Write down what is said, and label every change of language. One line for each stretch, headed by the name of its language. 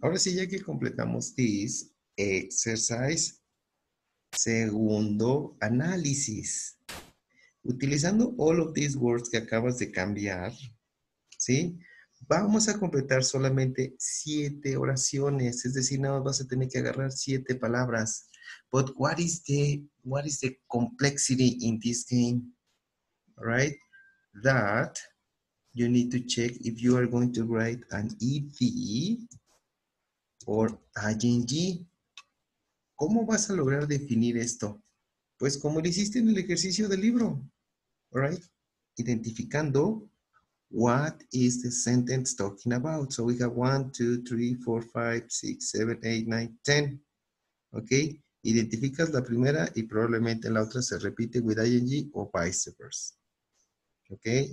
Spanish: Ahora sí, ya que completamos
English: this exercise,
Spanish: segundo análisis. Utilizando
English: all of these words
Spanish: que acabas de cambiar, ¿sí? Vamos a completar solamente 7 oraciones. Es decir, nada más vas a tener que agarrar 7 palabras.
English: But what is the complexity in this game? Right? That you need to check if you are going to write an ED or ing.
Spanish: ¿Cómo vas a lograr definir esto? Pues como lo hiciste en el ejercicio del libro.
English: Right?
Spanish: Identificando
English: what is the sentence talking about. So we have 1, 2, 3, 4, 5, 6, 7, 8, 9, 10. Okay?
Spanish: Identificas la primera y probablemente la otra se repite
English: with ing
Spanish: o vice versa. Okay?